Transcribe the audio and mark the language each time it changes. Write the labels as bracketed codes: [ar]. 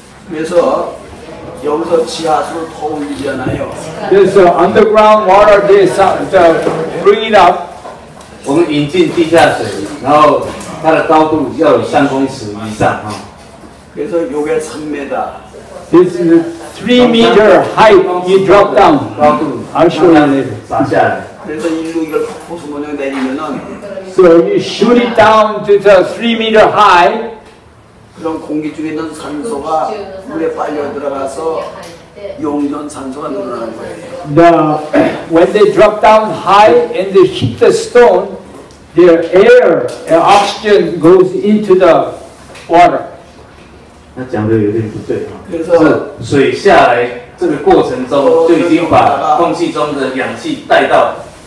[ko] 그래서 여기서 지하수 더 올리잖아요. [en] There's a underground water. They bring it up. [zh] 我们引进地下水，然后它的高度要有3公尺以上啊。 [ko] 그래서 요게 3m. [en] This is 3m height. You drop down. [zh] 高度. [en] I'll show you later. [zh] 撒下来. [en] So you shoot it down to the 3 meter high. [ko] 그럼 공기 중에 있는 산소가 물에 빨려 들어가서 용존 산소가 늘어나는 거예요. [en] The when they drop down high and they hit the stone, their air, their oxygen goes into the water. [zh] 那讲的有点不对啊。是水下来这个过程中就已经把空气中的氧气带到